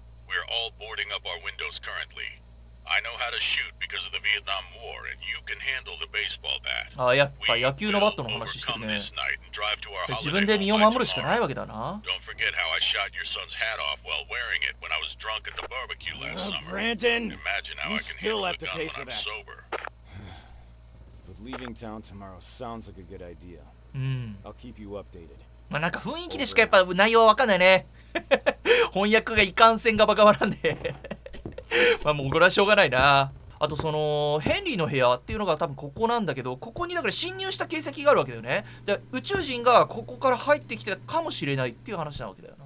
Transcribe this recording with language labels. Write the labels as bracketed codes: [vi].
[en] We're all boarding up our windows currently. I know how to shoot because of the Vietnam War, and you can handle the baseball bat. [ja] あ、やっぱ野球のバットの話してるね。自分で身を守るしかないわけだな。 [en] Don't forget how I shot your son's hat off while wearing it when I was drunk at the barbecue last summer. Brandon, imagine how I can handle the gun when I'm sober. Leaving town tomorrow sounds like a good idea. I'll keep you updated. [ja] まあなんか雰囲気でしかやっぱ内容はわかんないね。翻訳がいかんせんがバカバカなんで。まあもうこれはしょうがないな。あとそのヘンリーの部屋っていうのが多分ここなんだけど、ここにだから侵入した形跡があるわけだよね。で、宇宙人がここから入ってきたかもしれないっていう話なわけだよな。